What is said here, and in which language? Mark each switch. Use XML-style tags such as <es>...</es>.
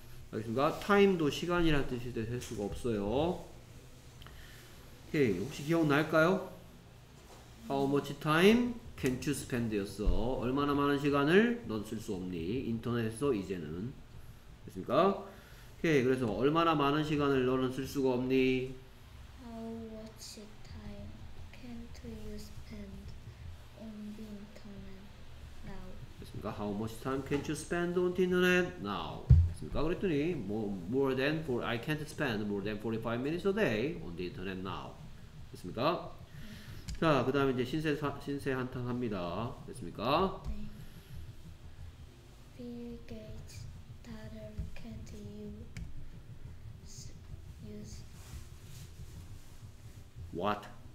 <ko>알겠습니까? time도 시간이라는 뜻인데 셀 수가 없어요. 오케이. 혹시 기억날까요?</ko> <en>How much time can't you spend였어.</en> <ko>얼마나 많은 시간을 넌 쓸 수 없니? 인터넷에서 이제는. 됐습니까? 오케이. 그래서 얼마나 많은 시간을 너는 쓸 수가 없니?</ko> <en>How much time can't you spend on the internet now?</en> <ko>됐습니까?</ko> <en>How much time can't you spend on the internet now?</en> <ko>그랬더니</ko> <en>more than for I can't spend more than 45 minutes a day on the internet now.</en> <ko>됐습니까? 네. 자, 그다음에 이제 신세 한탄합니다. 됐습니까? 네.</ko> <en>Bill Gates daughter can't you use what?</en>